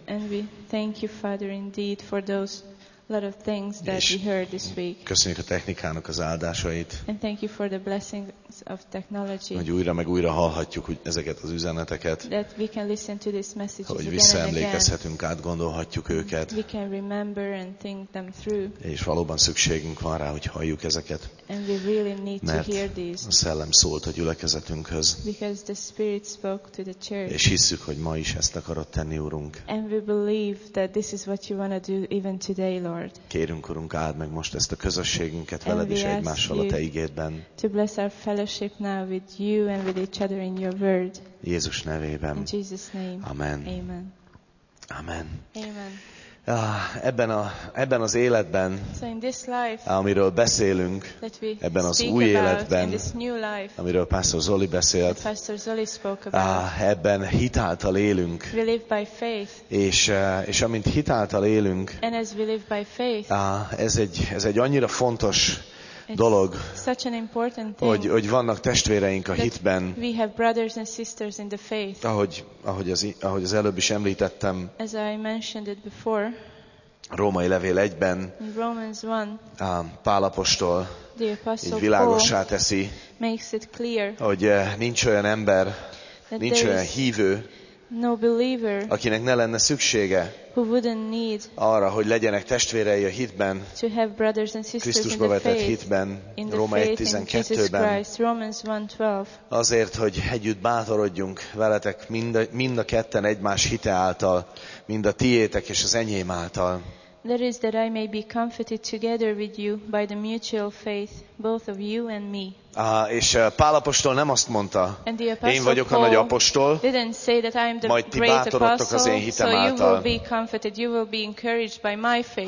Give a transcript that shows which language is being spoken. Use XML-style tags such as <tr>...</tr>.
<en>And we thank you, Father, indeed, for those lot of things that we heard this week.</en> <hu>Köszönjük a technikának az áldásait.</hu> <en>And thank you for the blessings of technology.</en> <hu>Hogy újra meg újra hallhatjuk hogy ezeket az üzeneteket.</hu> <en>That we can listen to these messages again.</en> <hu>Hogy visszaemlékezhetünk, átgondolhatjuk őket.</hu> <en>We can remember and think them through.</en> <hu>És valóban szükségünk van rá, hogy halljuk ezeket.</hu> <en>And we really need to hear these.</en> <hu>A szellem szólt a gyülekezetünkhöz.</hu> <en>Because the Spirit spoke to the church.</en> <hu>És hisszük, hogy ma is ezt akarod tenni, Urunk.</hu> <en>And we believe that this is what you want to do even today.</en> <hu>Kérünk, Urunk, áld meg most ezt a közösségünket veled is egymással a Te ígédben.</hu> <en>To bless our fellowship now with you and with each other in your word.</en> <hu>Jézus nevében.</hu> <en>In Jesus name.</en> <hu>Amen.</hu> <en>Amen.</en> <hu>Amen.</hu> <en>Amen.</en> <hu>Ebben az életben,</hu> <en>so in this life,</en> <hu>amiről beszélünk, ebben az új életben,</hu> <en>life,</en> <hu>amiről Pastor Zoli beszélt,</hu> <en>Pastor Zoli spoke about,</en> <hu>ebben hitáltal élünk.</hu> <en>We live by faith.</en> <hu>És amint hitáltal élünk,</hu> <en>and as we live by faith,</en> <hu>ez egy annyira fontos dolog,</hu> <en>such an important thing,</en> <hu>hogy vannak testvéreink a hitben.</hu> <en>We have brothers and sisters in the faith.</en> <hu>Ahogy az előbb is említettem.</hu> <en>As I mentioned it before.</en> <hu>Római levél 1-ben.</hu> <en>In Romans 1.</en> <hu>Pál apostol így világossá teszi,</hu> <en>makes it clear,</en> <hu>hogy nincs olyan ember, nincs olyan hívő,</hu> <en>no believer,</en> <hu>akinek ne lenne szüksége arra, hogy legyenek testvérei a hitben,</hu> <en>to have brothers and sisters</en> <hu>Krisztusba vetett hitben, Róma 1.12-ben, azért, hogy együtt bátorodjunk veletek mind a ketten egymás hite által, mind a tiétek és az enyém által.</hu> <en>That is that I may be comforted together with you by the mutual faith, both of you and me.</en> <hu>És Pál apostol nem azt mondta,</hu> <en>and the apostle</en> <hu>én vagyok a nagy apostol,</hu> <en>didn't say that I am the</en> <hu>majd ti bátorodtok az én hitem</hu> <en>so</en> <hu>által.</hu> <en>You will be comforted, you will be encouraged by my faith.</en>